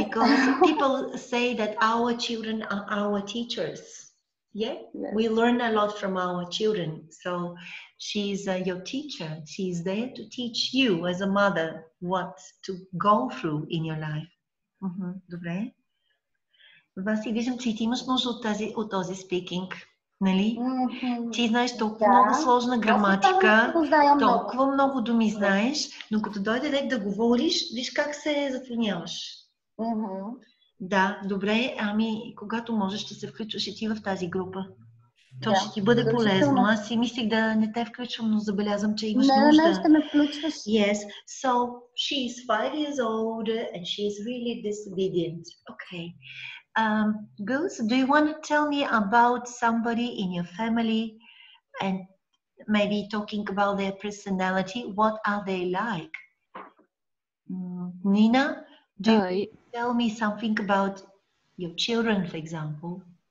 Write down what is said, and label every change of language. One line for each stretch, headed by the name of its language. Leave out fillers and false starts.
English: Because people say that our children are our teachers. Yeah? Yes. We learn a lot from our children. So she's your teacher. She's there to teach you as a mother what to go through in your life. Mm-hmm.
Bulgarian: Добре. Васи, виждам, че ти имаш нужда от този speaking. Нали? Mm-hmm. Ти знаеш толкова много сложна граматика, толкова много думи знаеш, но като дойде лек да говориш, виж как се затруняваш. Mm-hmm. Да, добре, ами когато можеш ще се включваш и ти в тази група. То ще ти бъде полезно. Аз си мислих да не те включвам, но забелязвам, че имаш нужда. Не, ще ме включваш.
English: Yes, so she is 5 years old and she is really disobedient. Okay. Girls, do you want to tell me about somebody in your family and maybe talking about their personality? What are they like? Nina, do you tell me something about your children, for example?